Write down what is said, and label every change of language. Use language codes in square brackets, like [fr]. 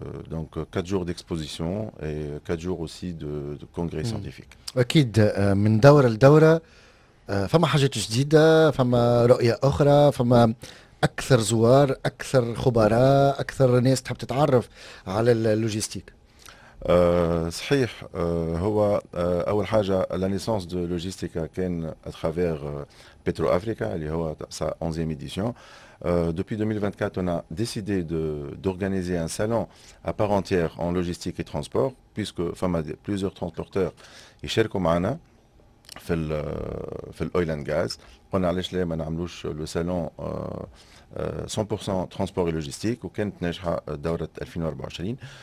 [fr] Donc 4 jours d'exposition et 4 jours aussi de congrès scientifique. [ar] أكيد من دورة لدورة فما حاجات جديدة، فما رؤية أخرى، فما أكثر زوار، أكثر خبراء، أكثر ناس تحب تتعرف على اللوجيستيك. صحيح. هو أول حاجة [fr] la naissance de logistique كان à travers Petro Africa اللي هو sa 11e édition. Depuis 2024 on a décidé d'organiser un salon à part entière en logistique et transport puisque فما plusieurs transporteurs [ar] يشاركوا معنا في الأويل أند غاز. قلنا علاش لا ما نعملوش لو سالون 100% ترانسبور و لوجيستيك وكانت ناجحة دورة 2024.